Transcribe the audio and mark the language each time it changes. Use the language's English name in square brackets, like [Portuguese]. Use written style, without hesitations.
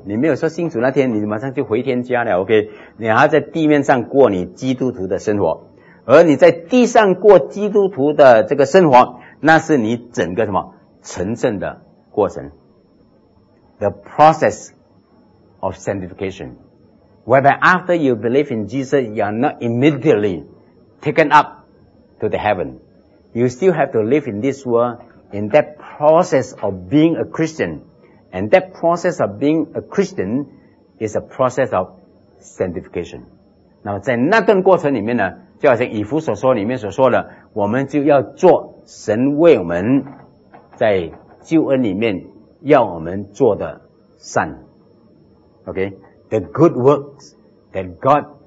[Chinese] 你没有说信主那天你马上就回天家了 OK， 你还在地面上过你基督徒的生活，而你在地上过基督徒的这个生活，那是你整个什么成圣的过程， [English] The process of sanctification, whereby after you believe in Jesus, you are not immediately taken up to the heaven. You still have to live in this world in that process of being a Christian. And that process of being a Christian is a process of sanctification. [Chinese] 那么在那段过程里面呢，就好像以弗所说里面所说的，我们就要做神为我们在救恩里面要我们做的善 OK， [English] The good works that God